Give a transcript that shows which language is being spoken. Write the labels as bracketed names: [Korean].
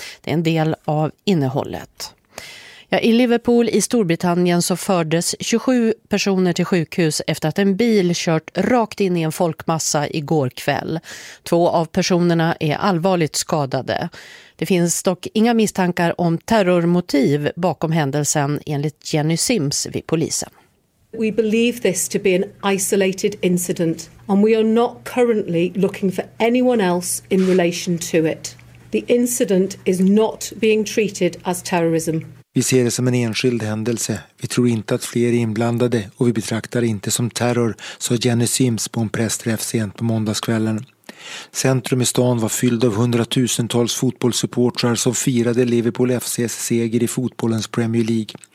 [Swedish] Det är en del av innehållet. Ja, i Liverpool i Storbritannien så fördes 27 personer till sjukhus efter att en bil kört rakt in i en folkmassa igår kväll. Två av personerna är allvarligt skadade. Det finns dock inga misstankar om terrormotiv bakom händelsen enligt Jenny Sims vid polisen. [English] We believe this to be an isolated incident and we are not currently looking for anyone else in relation to it. The incident is not being treated as terrorism. [Swedish] Vi ser det som en enskild händelse. Vi tror inte att fler är inblandade och vi betraktar det inte som terror, sa Jenny Sims på en pressträff sent på måndagskvällen. Centrum i stan var fylld av hundratusentals fotbollssupportrar som firade Liverpool FCs seger i fotbollens Premier League.